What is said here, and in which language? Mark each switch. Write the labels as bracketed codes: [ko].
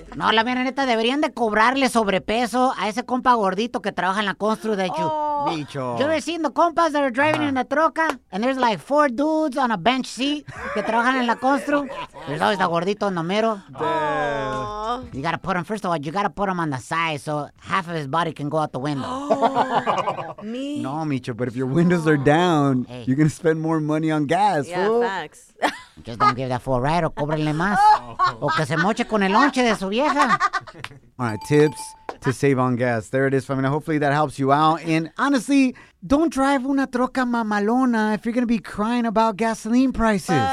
[es] No, la mera neta, deberían de cobrarle sobrepeso a ese compa gordito que trabaja en la constru, de hecho. Bicho. [en] Yo he seen the compas that are driving in the troca, and there's like 4 dudes on a bench seat que trabajan en la constru. There's always the gordito en número. Damn. You gotta put him, first of all, you gotta put him on the side so half of his body can go out the window. Me? No, Micho, but if your windows are down, you're gonna spend more money on gas, yeah, fool. Yeah, facts. Just don't give that fool a ride or cóbrele más. [es] O que se moche con el lonche de su vieja. [en] All right, tips to save on gas. There it is, family. Hopefully that helps you out. And honestly, Don't drive una troca mamalona if you're going to be crying about gasoline prices.